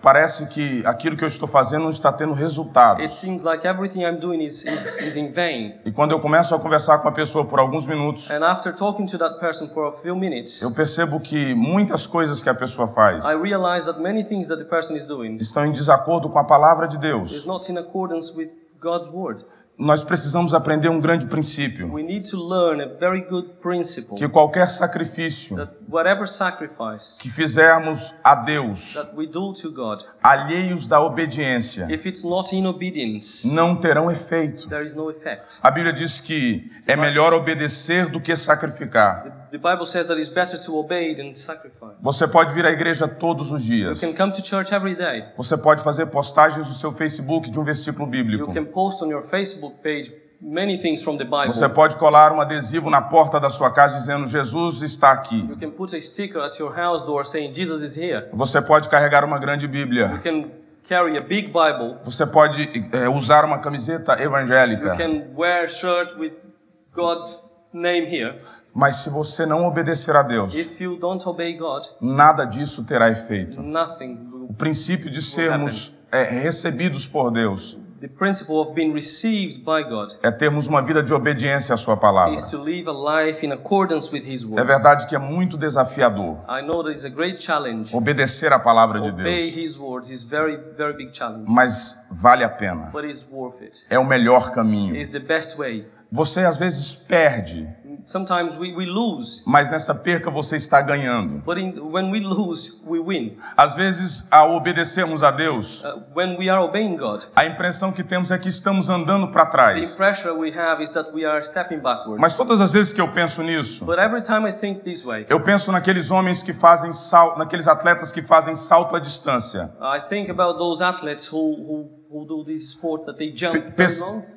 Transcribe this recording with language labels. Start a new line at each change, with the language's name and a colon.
Portuguese: Parece que aquilo que eu estou fazendo não está tendo resultado.
English: It seems like everything I'm doing is in vain.
Portuguese: E quando eu começo a conversar com a pessoa por alguns minutos,
English: and after talking to that person for a few minutes,
Portuguese: eu percebo que muitas coisas que a pessoa faz,
English: I realize that many things that the person is doing,
Portuguese: estão em desacordo com a palavra de Deus.
English: It's not in accordance with God's word.
Portuguese: Nós precisamos aprender um grande princípio.
English: We need to learn a very good principle.
Portuguese: Que qualquer sacrifício,
English: that whatever sacrifice,
Portuguese: que fizermos a Deus,
English: that we do to God,
Portuguese: alheios da obediência,
English: if it's not in obedience,
Portuguese: não terão efeito.
English: There is no effect.
Portuguese: A Bíblia diz que é melhor obedecer do que sacrificar.
English: The Bible says that it's better to obey than sacrifice.
Portuguese: Você pode vir à igreja todos os dias.
English: You can come to church every day.
Portuguese: Você pode fazer postagens no seu Facebook de um versículo bíblico.
English: You can post on your Facebook page many things from the Bible.
Portuguese: Você pode colar um adesivo na porta da sua casa dizendo Jesus está aqui.
English: You can put a sticker at your house door saying Jesus is here.
Portuguese: Você pode carregar uma grande Bíblia.
English: You can carry a big Bible.
Portuguese: Você pode usar uma camiseta evangélica.
English: You can wear a shirt with God's name here.
Portuguese: Mas se você não obedecer a Deus,
English: if you don't obey God,
Portuguese: nada disso terá efeito.
English: Nothing will,
Portuguese: o princípio de sermos recebidos por Deus,
English: the principle of being received by God,
Portuguese: é termos uma vida de obediência à sua palavra.
English: Is to live a life in accordance with his word.
Portuguese: É verdade que é muito desafiador.
English: I know that it's a great challenge.
Portuguese: Obedecer à palavra de Deus.
English: Obey his words is very, very big challenge.
Portuguese: Mas vale a pena.
English: But it's worth it.
Portuguese: É o melhor caminho.
English: It's the best way.
Portuguese: Você às vezes perde.
English: Sometimes we lose.
Portuguese: Mas nessa perca você está ganhando.
English: But when we lose, we win.
Portuguese: Às vezes, ao obedecermos a Deus,
English: when we are obeying God,
Portuguese: a impressão que temos é que estamos andando para trás.
English: The impression we have is that we are stepping backwards.
Portuguese: Mas todas as vezes que eu penso nisso,
English: but every time I think this way,
Portuguese: eu penso naqueles homens que fazem salto, naqueles atletas que fazem salto à distância.
English: I think about those athletes who do this sport that they jump very long.